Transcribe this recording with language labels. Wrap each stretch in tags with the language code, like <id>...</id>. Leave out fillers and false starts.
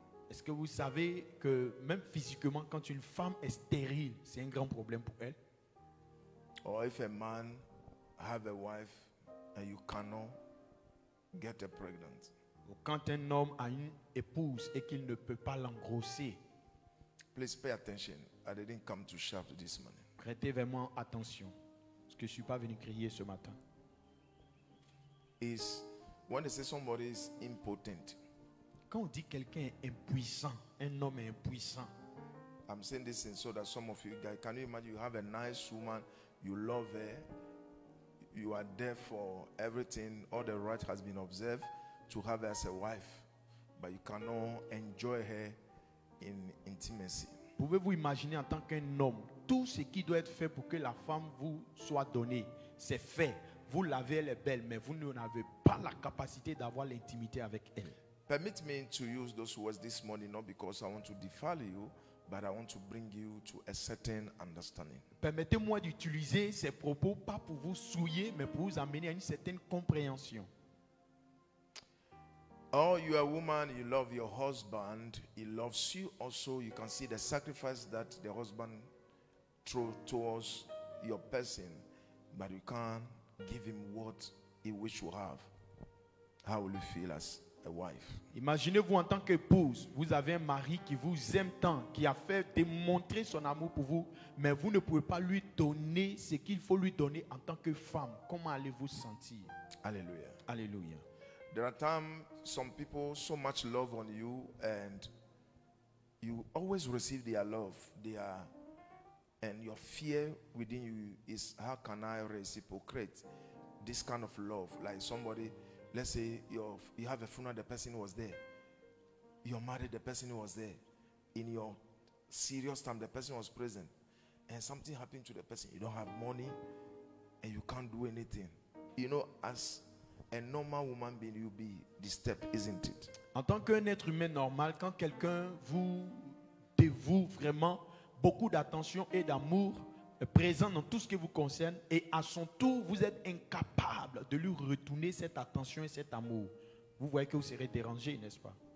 <fr>Est-ce que vous savez que même physiquement, quand une femme est stérile, c'est un grand problème pour elle?</fr> <en>Or if a man have a wife and you cannot get her pregnant.</en> <fr>Ou quand un homme a une épouse et qu'il ne peut pas l'engrosser.</fr> <en>Please pay attention. I didn't come to shout this morning.</en> <fr>Prêtez vraiment attention, parce que je ne suis pas venu crier ce matin.</fr> <en>Is when they say somebody is impotent.</en> <fr>Quand on dit quelqu'un est impuissant, un homme est impuissant.</fr> <en>I'm saying this in so that some of you guys can you imagine you have a nice woman, you love her, you are there for everything, all the right has been observed to have her as a wife, but you cannot enjoy her in intimacy.</en> <fr>Pouvez-vous imaginer en tant qu'un homme? Tout ce qui doit être fait pour que la femme vous soit donnée, c'est fait. Vous l'avez, elle est belle, mais vous n'avez pas la capacité d'avoir l'intimité avec elle.</fr> <en>Permit me to use those words this morning, not because I want to defile you, but I want to bring you to a certain understanding.</en> <fr>Permettez-moi d'utiliser ces propos, pas pour vous souiller, mais pour vous amener à une certaine compréhension.</fr> <en>Oh, you are a woman, you love your husband, he loves you also, you can see the sacrifice that the husband towards your person, but you can't give him what he wishes to have. How will you feel as a wife?</en> <fr>Imaginez-vous en tant qu'épouse, vous avez un mari qui vous aime tant, qui a fait démontrer son amour pour vous, mais vous ne pouvez pas lui donner ce qu'il faut lui donner en tant que femme. Comment allez-vous sentir? Alléluia. Alléluia.</fr> <en>There are times some people so much love on you, and you always receive their love. They are. And your fear within you is, how can I reciprocate this kind of love? Like somebody, let's say you have a funeral, the person was there. You're married, the person was there. In your serious time, the person was present. And something happened to the person. You don't have money and you can't do anything. You know, as a normal woman being, you'll be disturbed, isn't it?</en> <fr>En tant qu'un être humain normal, quand quelqu'un vous dévoue vraiment, beaucoup d'attention et d'amour présent dans tout ce qui vous concerne et à son tour, vous êtes incapable de lui retourner cette attention et cet amour. Vous voyez que vous serez dérangé, n'est-ce pas?</fr>